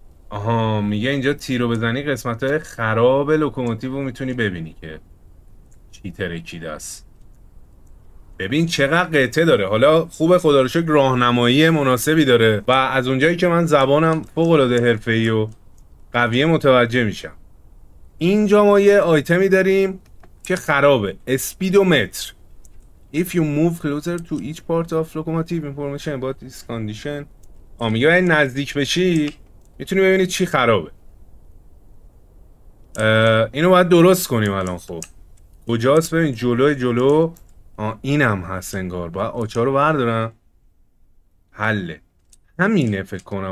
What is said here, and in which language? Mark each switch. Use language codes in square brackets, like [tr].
[fa] آها میگه اینجا تی رو بزنی قسمت های خراب لوکوموتیو رو میتونی ببینی که چی ترکیده است. ببین چقدر قطعه داره. حالا خوب خدا رو شکر راهنمایی مناسبی داره و از اونجایی که من زبانم فوق العاده حرفه‌ای و قویه متوجه میشم. اینجا ما یه آیتمی داریم که خرابه. اسپیدومتر. [en] If you move closer to each part of locomotive information about this condition. [fa] میگه باید نزدیک بشی میتونی ببینی چی خرابه. اینو باید درست کنیم الان. خب کجاست؟ ببین جلو اینم هست انگار. باید آچار رو بردارم. حله همینه فکر کنم.